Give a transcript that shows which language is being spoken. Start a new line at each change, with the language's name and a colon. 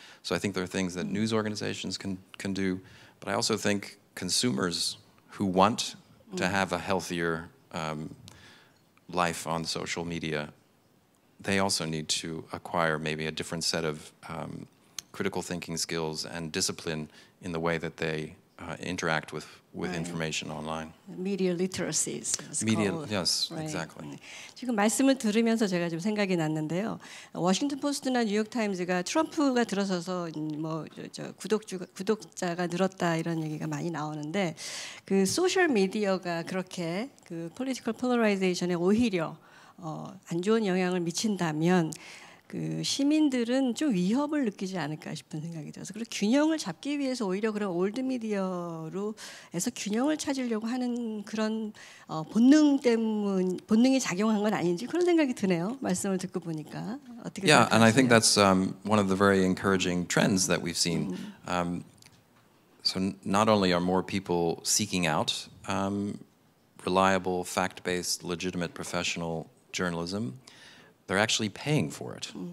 English: So I think there are things that news organizations can do, but I also think consumers who want to have a healthier life on social media, they also need to acquire maybe a different set of critical thinking skills and discipline in the way that they interact with information online. Media literacy is called. Media, yes, right. Exactly.
Korean: 지금 말씀을 들으면서 제가 좀 생각이 났는데요. 워싱턴 포스트나 뉴욕 타임즈가 트럼프가 들어서서 뭐 저 구독자가 늘었다 이런 얘기가 많이 나오는데 그 소셜 미디어가 그렇게 그
English: political polarization
Korean: 에 오히려 안 좋은 영향을 미친다면 그 시민들은 좀 위협을 느끼지 않을까 싶은 생각이 들어서 그리고 균형을 잡기 위해서 오히려 그런 올드미디어로에서 균형을 찾으려고 하는 그런 본능 때문 본능이 작용한 건 아닌지 그런 생각이 드네요. 말씀을 듣고 보니까 어떻게 생각하세요?
English: Yeah, and I think that's one of the very encouraging trends that we've seen. So not only are more people seeking out reliable, fact-based, legitimate professional journalism, they're actually paying for it.